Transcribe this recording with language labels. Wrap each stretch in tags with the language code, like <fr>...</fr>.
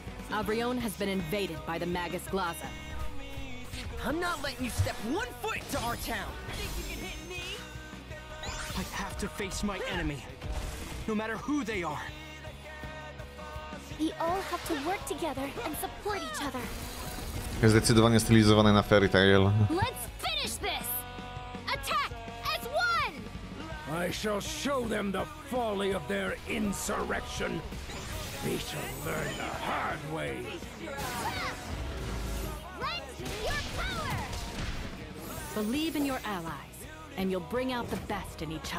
<en>Abrion has been invaded by the Magus Glaza. I'm not letting you step one foot into our town! Think you can hit me? I have to face my enemy, no matter who they are. We all have to work together and support each other.</en> <pl>Zdecydowanie stylizowane na</pl> <en>fairy tale. Let's finish this! Attack as one! I shall show them the folly of their insurrection. They shall learn the hard way. Lend your power! Believe in your allies, and you'll bring out the best in each other.</en>